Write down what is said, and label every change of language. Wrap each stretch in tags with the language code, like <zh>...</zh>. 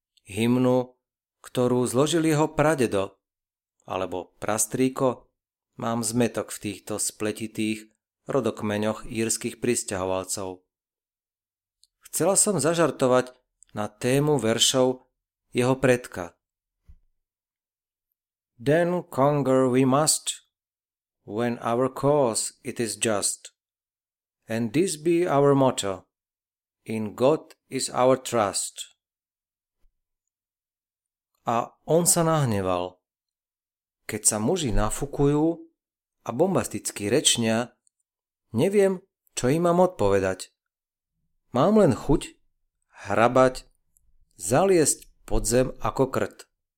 <sk>Hymnu, ktorú zložil jeho pradedo, alebo prastríko, mám zmetok v týchto spletitých rodokmeňoch írskych prisťahovalcov. Chcela som zažartovať na tému veršov jeho predka.</sk> <en>Then conquer we must, when our cause it is just, and this be our motto, in God is our trust.</en> <sk>A on sa nahneval, keď sa muži nafukujú a bombasticky rečnia, neviem, čo im mám odpovedať. Mám len chuť hrabať, zaliesť pod zem ako krt.</sk>